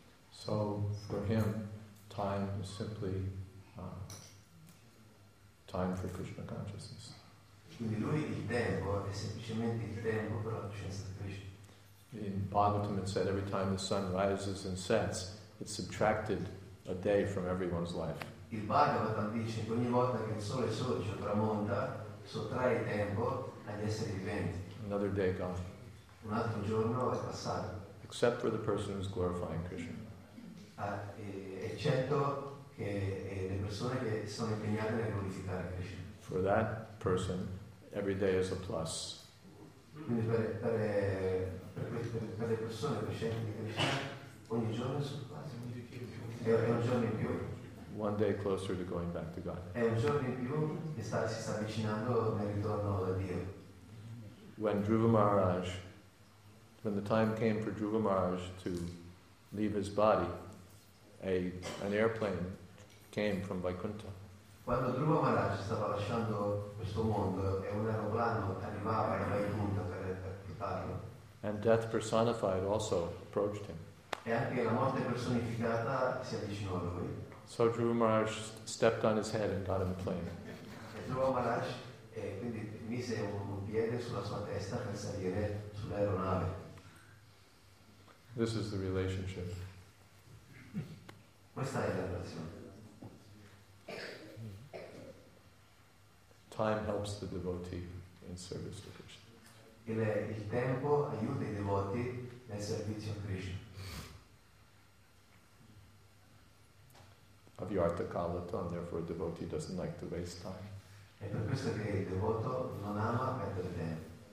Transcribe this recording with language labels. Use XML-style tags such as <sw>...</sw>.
<en>So for him, time is simply time for Krishna consciousness.</en> <it>Quindi lui il tempo è semplicemente il tempo per la coscienza di Krishna.</it> <en>In Bhagavatam it said every time the sun rises and sets, it subtracted a day from everyone's life.</en> <it>Il Bhagavatam dice che ogni volta che il sole sorge o tramonta, sottrae tempo agli esseri viventi.</it> <en>Another day gone.</en> <it>Un altro giorno è passato.</it> <en>Except for the person who's glorifying Krishna.</en> <it>Eccetto che le persone che sono impegnate nel glorificare Krishna.</it> <en>For that person, every day is a plus.</en> <it>Quindi per le persone crescenti di Krishna ogni giorno è quasi un giorno in più.</it> <en>One day closer to going back to God.</en> <it>È un giorno in più che si sta avvicinando nel ritorno da Dio.</it> <en>When Dhruva Maharaj, when the time came for Dhruva Maharaj to leave his body, an airplane came from Vaikuntha.</en> <it>Quando Dhruva Maharaj stava lasciando questo mondo e un aeroplano arrivava da Vaikuntha per portarlo.</it> <en>And death personified also approached him.</en> <it>E anche la morte personificata si avvicinò a lui.</it> <en>So Dhruva Maharaj stepped on his head and got in the plane.</en> <it>E Dhruva Maharaj quindi mise un piede sulla sua testa per salire sull'aeronave.</it> <en>This is the relationship.</en> <it>Questa è la relazione.</it> <en>Time helps the devotee in service to Krishna.</en> <it>Il tempo aiuta i devoti nel servizio a Krishna.</it> <sa>Avyarta kalata,</sa> <en>and therefore a devotee doesn't like to waste time.</en> <it>È per questo che il devoto non ama perdere tempo.</it>